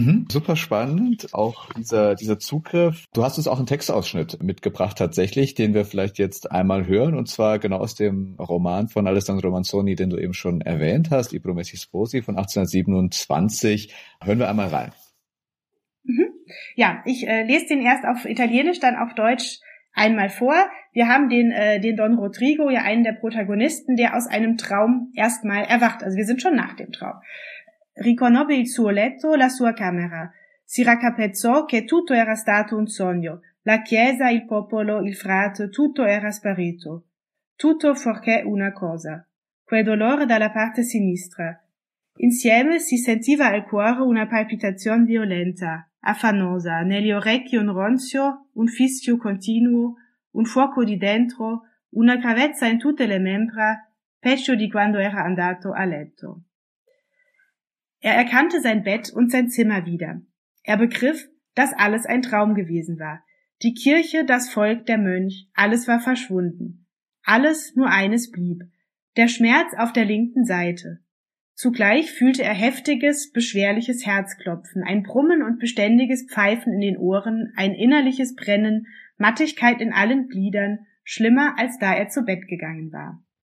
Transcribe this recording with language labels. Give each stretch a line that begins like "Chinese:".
German: Super spannend, auch dieser Zugriff. Du hast uns auch einen Textausschnitt mitgebracht tatsächlich, den wir vielleicht jetzt einmal hören, und zwar genau aus dem Roman von Alessandro Manzoni, den du eben schon erwähnt hast, I Promessi Sposi von 1827. Hören wir einmal rein. Ja, ich lese den erst auf Italienisch, dann auf Deutsch einmal vor. Wir haben den Don Rodrigo, ja einen der Protagonisten, der aus einem Traum erstmal erwacht. Also wir sind schon nach dem Traum.
Italian: Riconobbe il suo letto, la sua camera. Si raccapezzò che tutto era stato un sogno. La chiesa, il popolo, il frate, tutto era sparito. Tutto fuorché una cosa. Quel dolore dalla parte sinistra. Insieme si sentiva al cuore una palpitazione violenta, affannosa, negli orecchi un ronzio, un fischio continuo, un fuoco di dentro, una gravezza in tutte le membra, peggio di quando era andato a letto.
German: Er erkannte sein Bett und sein Zimmer wieder. Er begriff, dass alles ein Traum gewesen war. Die Kirche, das Volk, der Mönch, alles war verschwunden. Alles nur eines blieb. Der Schmerz auf der linken Seite. Zugleich fühlte er heftiges, beschwerliches Herzklopfen, ein Brummen und beständiges Pfeifen in den Ohren, ein innerliches Brennen, Mattigkeit in allen Gliedern, schlimmer als da er zu Bett gegangen war.